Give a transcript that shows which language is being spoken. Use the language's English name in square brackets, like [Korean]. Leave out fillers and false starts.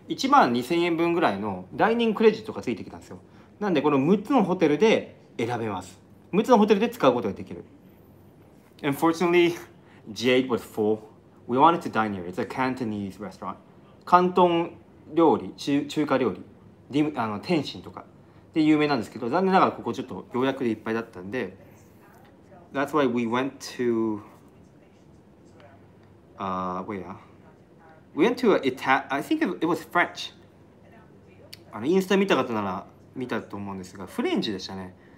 [Japanese] 1万2000円分ぐらいのダイニングクレジットがついてきたんですよ。なんでこの6つのホテルで選べます。6つのホテルで使うことができる。 [English] Unfortunately, G8 was full. We wanted to dine here. It's a Cantonese restaurant. [Japanese] 広東料理、中華料理、天津とかで有名なんですけど、残念ながらここちょっと予約でいっぱいだったんで。 [English] That's why we went to... where are you? We went to I think it was French. [Japanese] あのインスタ見た方なら見たと思うんですが、フレンチでしたね。